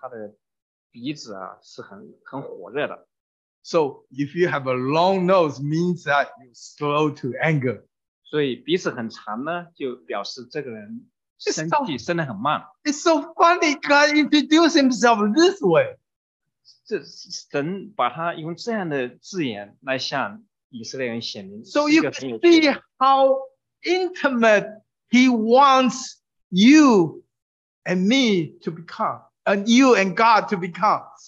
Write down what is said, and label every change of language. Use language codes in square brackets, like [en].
[zh] 一个发怒的人就是他的鼻子是很火热的。 [en] So if you have a long nose, means that you're slow to anger. [zh] 所以鼻子很长呢，就表示这个人生气生得很慢。 [en] It's so funny. God introduced himself this way. [zh] 神把他用这样的字眼来向以色列人显明。 [en] So you can see how intimate he wants you and me to become, and you and God to become.